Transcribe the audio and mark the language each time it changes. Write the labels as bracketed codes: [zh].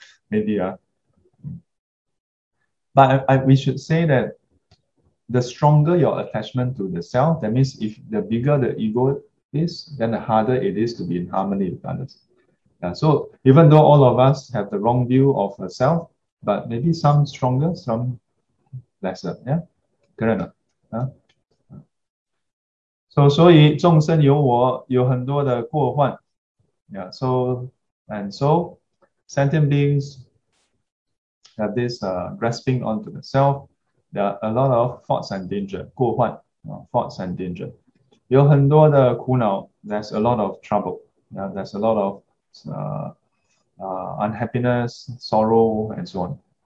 [en] Maybe, But we should say that the stronger your attachment to the self, that means if the bigger the ego is, then the harder it is to be in harmony with others. Yeah, so even though all of us have the wrong view of a self, but maybe some stronger, some lesser. Yeah? Correct. [zh] So,所以众生有我有很多的过患. [en] Yeah, so and so sentient beings have this grasping onto the self. There are a lot of thoughts and danger, 过患, thoughts and danger. 有很多的苦恼, there's a lot of trouble. Yeah, there's a lot of unhappiness, sorrow, and so on.